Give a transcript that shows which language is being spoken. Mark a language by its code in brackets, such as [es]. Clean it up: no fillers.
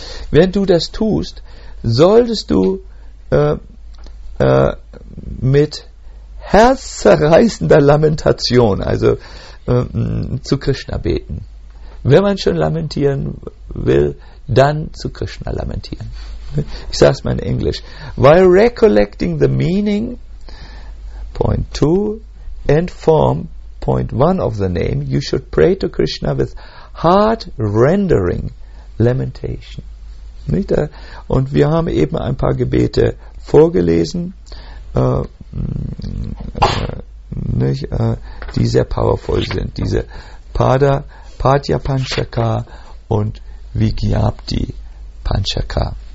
[de] Während du das tust, solltest du mit herzzerreißender Lamentation, also zu Krishna beten. Wenn man schon lamentieren will, dann zu Krishna lamentieren. Ich sage es mal in Englisch. [en] While recollecting the meaning, point 2, and form, point 1 of the name, you should pray to Krishna with heart-rendering lamentation. [de] Und wir haben eben ein paar Gebete vorgelesen, die sehr powerful sind. Diese Pada Patya Panchaka und Vigyapti Panchaka.